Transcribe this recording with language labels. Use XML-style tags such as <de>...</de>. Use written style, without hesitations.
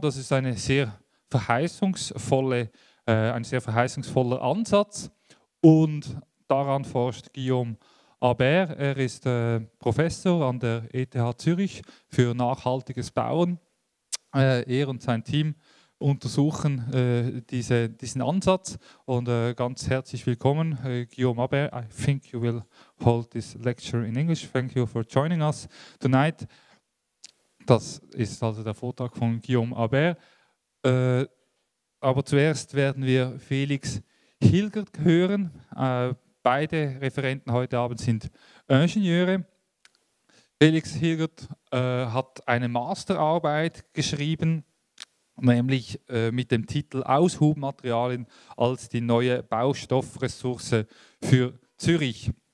<de>Das ist eine sehr verheißungsvolle ein sehr verheißungsvoller Ansatz, und daran forscht Guillaume Haber. Er ist Professor an der ETH Zürich für nachhaltiges Bauen. Er und sein Team untersuchen diesen Ansatz, und ganz herzlich willkommen, Guillaume Haber.</de> <en>I think you will hold this lecture in English. Thank you for joining us tonight.</en> <de>Das ist also der Vortrag von Guillaume Haber. Aber zuerst werden wir Felix Hilgert hören. Beide Referenten heute Abend sind Ingenieure. Felix Hilgert hat eine Masterarbeit geschrieben, nämlich mit dem Titel Aushubmaterialien als die neue Baustoffressource für Zürich.</de>